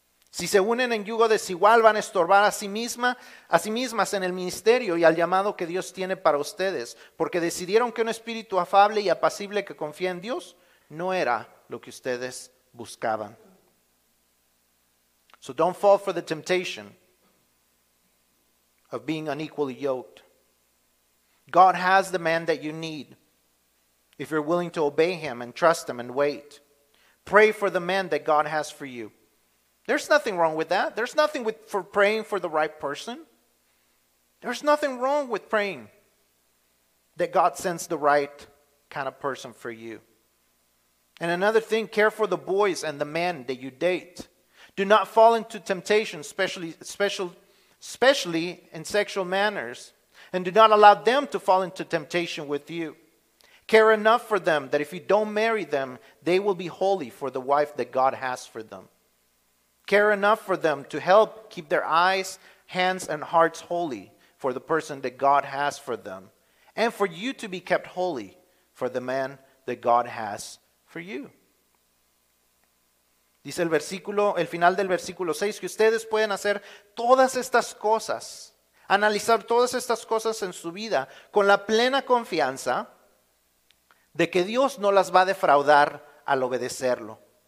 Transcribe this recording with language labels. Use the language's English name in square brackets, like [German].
[Spanish] Si se unen en yugo desigual, van a estorbar a sí mismas en el ministerio y al llamado que Dios tiene para ustedes, porque decidieron que un espíritu afable y apacible que confía en Dios no era lo que ustedes buscaban. [English] So don't fall for the temptation of being unequally yoked. God has the man that you need if you're willing to obey him and trust him and wait. Pray for the man that God has for you. There's nothing wrong with that. There's nothing for praying for the right person. There's nothing wrong with praying that God sends the right kind of person for you. And another thing, care for the boys and the men that you date. Do not fall into temptation, especially in sexual manners, and do not allow them to fall into temptation with you. Care enough for them that if you don't marry them, they will be holy for the wife that God has for them. Care enough for them to help keep their eyes, hands, and hearts holy for the person that God has for them, and for you to be kept holy for the man that God has for you. [Spanish] Dice el final del versículo 6, que ustedes pueden hacer todas estas cosas, analizar todas estas cosas en su vida con la plena confianza de que Dios no las va a defraudar al obedecerlo.